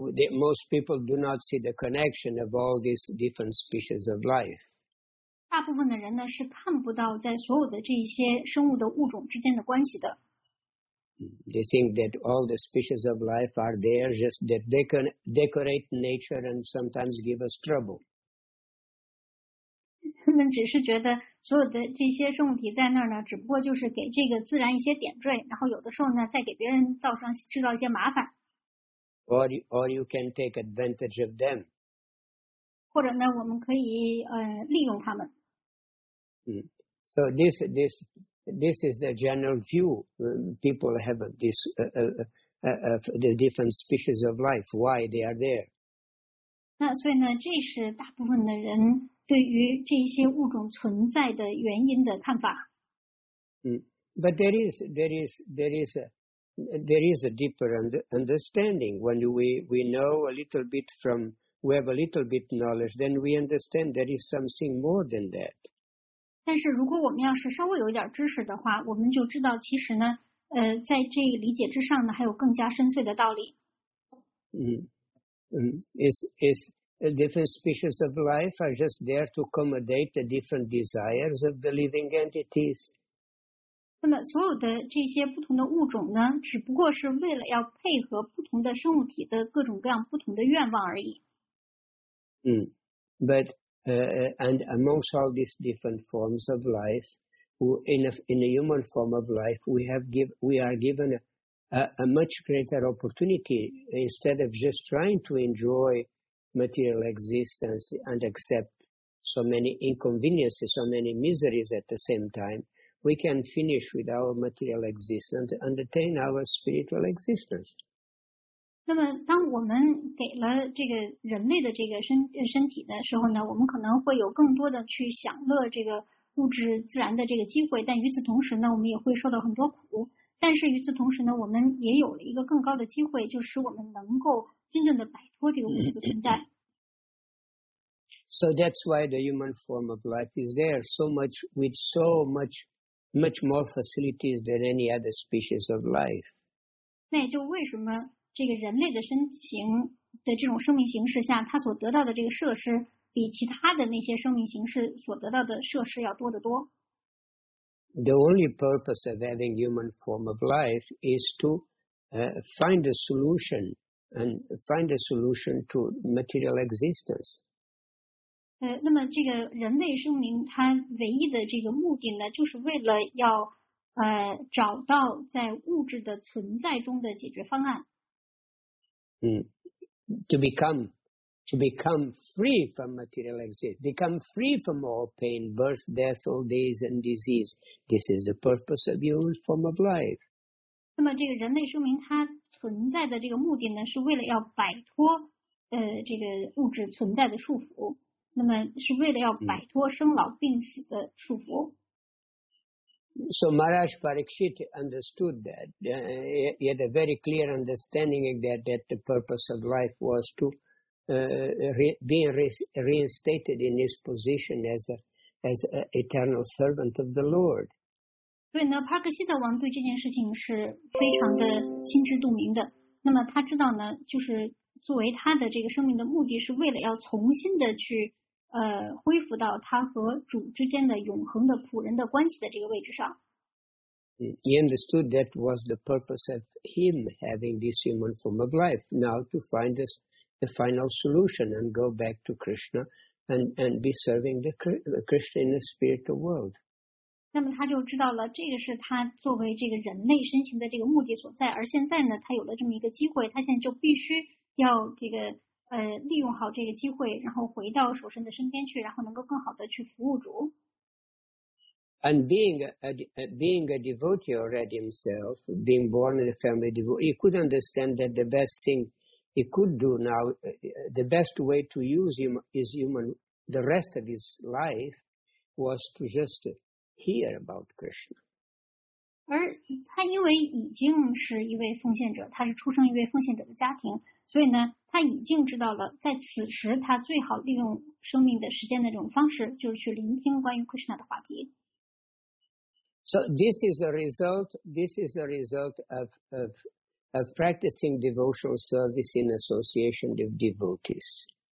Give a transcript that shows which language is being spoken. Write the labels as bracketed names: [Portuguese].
[English] Most people do not see the connection of all these different species of life. [Chinese] 大部分的人呢是看不到在所有的这些生物的物种之间的关系的。 [English] They think that all the species of life are there just that they can decorate nature and sometimes give us trouble. [Chinese] 他们只是觉得所有的这些生物体在那儿呢，只不过就是给这个自然一些点缀，然后有的时候呢，再给别人制造一些麻烦。 [English] Or you can take advantage of them. [Chinese] 或者呢，我们可以利用他们。 [English] So this is the general view people have of this the different species of life, why they are there. [Chinese] 那所以呢，这是大部分的人对于这些物种存在的原因的看法。 [English] But there is a, there is a deeper understanding. When we know a little bit from, we have a little bit knowledge, then we understand there is something more than that. [Chinese] 但是如果我们要是稍微有点知识的话，我们就知道其实呢，在这理解之上呢，还有更加深邃的道理。 [English] 嗯嗯 ，is different species of life are just there to accommodate the different desires of the living entities. [Chinese] 那么所有的这些不同的物种呢，只不过是为了要配合不同的生物体的各种各样不同的愿望而已。 [English] 嗯 ，but. And amongst all these different forms of life, in a human form of life, we are given a much greater opportunity instead of just trying to enjoy material existence and accept so many inconveniences, so many miseries at the same time, we can finish with our material existence and attain our spiritual existence. [Chinese] 那么当我们给了这个人类的这个身体的时候呢，我们可能会有更多的去享乐这个物质自然的这个机会，但与此同时呢，我们也会受到很多苦，但是与此同时呢，我们也有了一个更高的机会，就使我们能够真正的摆脱这个物质的存在。 [English] So that's why the human form of life is there so much, with so much, much more facilities than any other species of life. [Chinese] 那也就为什么这个人类的身形的这种生命形式下，他所得到的这个设施比其他的那些生命形式所得到的设施要多得多。 [English] The only purpose of having human form of life is to find a solution and find a solution to material existence. [Chinese] 那么这个人类生命它唯一的这个目的呢，就是为了要找到在物质的存在中的解决方案。 [English] To become free from material existence, become free from all pain, birth, death, old age, and disease. This is the purpose of human form of life. [Chinese] 那么这个人类生命它存在的这个目的呢，是为了要摆脱这个物质存在的束缚。那么是为了要摆脱生老病死的束缚。 [English] So Maharaj Parikshit understood that. He had a very clear understanding that the purpose of life was to be reinstated in his position as a eternal servant of the Lord. [Chinese] 所以呢，帕克希特王对这件事情是非常的心知肚明的。那么他知道呢，就是作为他的这个生命的目的是为了要重新的去恢复到他和主之间的永恒的仆人的关系的这个位置上。 [English] He understood that was the purpose of him having this human form of life, now to find this, the final solution and go back to Krishna and be serving the Krishna in the spiritual world. [Chinese] 那么他就知道了，这个是他作为这个人类身形的这个目的所在，而现在呢，他有了这么一个机会，他现在就必须要这个利用好这个机会，然后回到主神的身边去，然后能够更好的去服务主。 [English] And being a devotee already himself, being born in a family devotee, he could understand that the best thing he could do now, the best way to use his human, the rest of his life, was to just hear about Krishna. [Chinese] 而他因为已经是一位奉献者，他是出生一位奉献者的家庭，所以呢，他已经知道了，在此时他最好利用生命的时间的这种方式，就是去聆听关于 Krishna 的话题。 [English] So this is a result. This is a result of practicing devotional service in association with devotees.